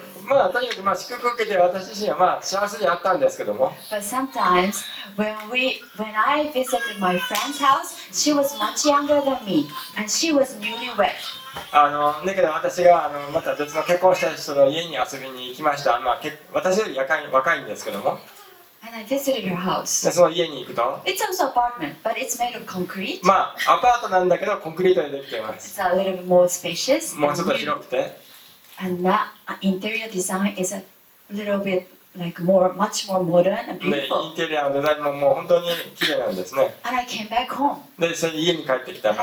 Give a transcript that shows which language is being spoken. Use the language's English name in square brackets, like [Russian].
[Japanese] まあとにかくまあ祝福受けて私自身はまあ幸せにあったんですけども。 [English] But sometimes when I visited my friend's house, she was much younger than me, and she was newlywed. [Japanese] だけど私がまた別の結婚した人の家に遊びに行きました。まあ、私より若いんですけども。 [English] And I visited your house. [Japanese] その家に行くと。 [English] It's also apartment, but it's made of concrete. [Japanese] まあアパートなんだけどコンクリートでできています。 [English] It's a little bit more spacious. [Japanese] もうちょっと広くて。 [English] And that interior design is a little bit like more, much more modern and beautiful. [Japanese] インテリアのデザインももう本当に綺麗なんですね。 [English] And I came back home. [Japanese] で、それで家に帰ってきたら。